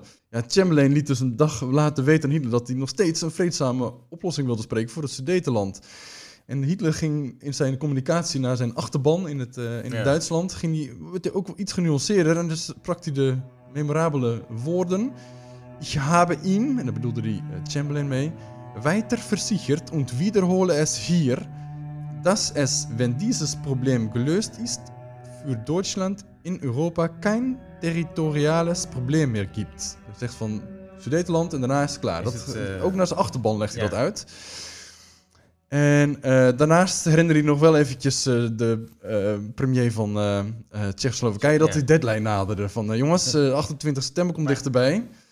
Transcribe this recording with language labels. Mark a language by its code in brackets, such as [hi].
[nl] Ja. Ja, Chamberlain liet dus een dag later weten aan Hitler dat hij nog steeds een vreedzame oplossing wilde spreken voor het Sudetenland. En Hitler ging in zijn communicatie naar zijn achterban in het Duitsland, ging hij ook iets genuanceerder en dus sprak hij de memorabele woorden. [de] Ich habe ihm, [nl] en daar bedoelde hij Chamberlain mee, [de] weiter versichert und wiederhole es hier, dass es, wenn dieses Problem gelöst ist, für Deutschland in Europa kein territoriales Problem mehr gibt. [nl] Hij zegt van Sudetenland en daarna is het klaar. Is dat, ook naar zijn achterban legt hij dat uit. En daarnaast herinner hij nog wel eventjes de premier van Tsjechoslowakije dat die deadline naderde. Van jongens, 28 september komt dichterbij.